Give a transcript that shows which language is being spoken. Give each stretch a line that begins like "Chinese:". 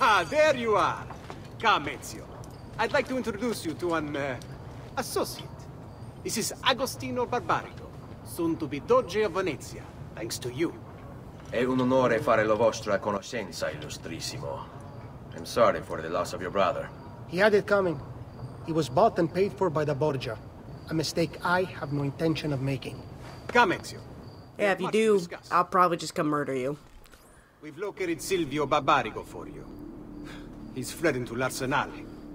English: There you are! Come, Ezio. I'd like to introduce you to an associate. This is Agostino Barbarigo, soon to be Doge of Venezia, thanks to you.
Italian: È un onore fare la vostra conoscenza, illustrissimo.
English: I'm sorry for the loss of your brother. He had it coming. He was bought and paid for by the Borgia. A mistake I have no intention of making. Come, Ezio. Yeah, if you do, I'll probably just come murder you. We've located Silvio Barbarigo for you. He's fled into l'Arsenale.